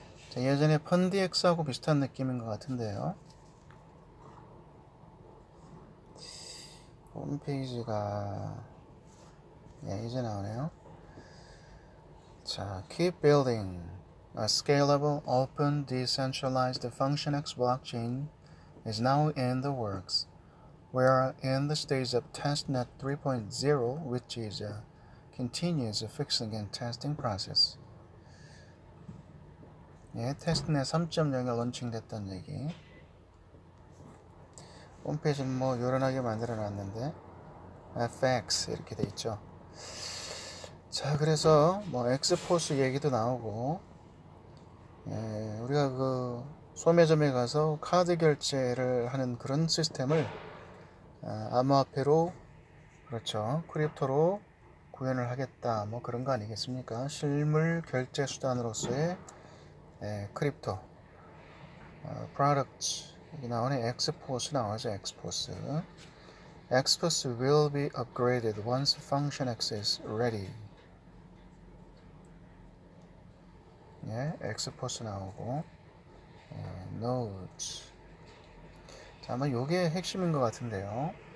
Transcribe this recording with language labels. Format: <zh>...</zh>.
<ko>자, 예전에 펀디엑스하고 비슷한 느낌인 것 같은데요. 홈페이지가 예, 이제 나오네요. 자,</ko> <en>keep building. A scalable, open, decentralized FunctionX blockchain is now in the works. We are in the stage of testnet 3.0, which is a continuous fixing and testing process.</en> <ko>예, 테스트넷 3.0이 론칭됐던 얘기. 홈페이지는 뭐 요란하게 만들어놨는데 FX 이렇게 돼 있죠. 자, 그래서 뭐 엑스포스 얘기도 나오고. 예, 우리가 그 소매점에 가서 카드 결제를 하는 그런 시스템을 암호화폐로, 그렇죠, 크립토로 구현을 하겠다, 뭐 그런 거 아니겠습니까? 실물 결제 수단으로서의 예, 크립토 products 여기 나오네. 엑스포스 나오죠.</ko> <en>엑스포스 will be upgraded once function X is ready.</en> <ko>예, 엑스포스 나오고, 노드. 자, 아마 요게 핵심인 것 같은데요.</ko>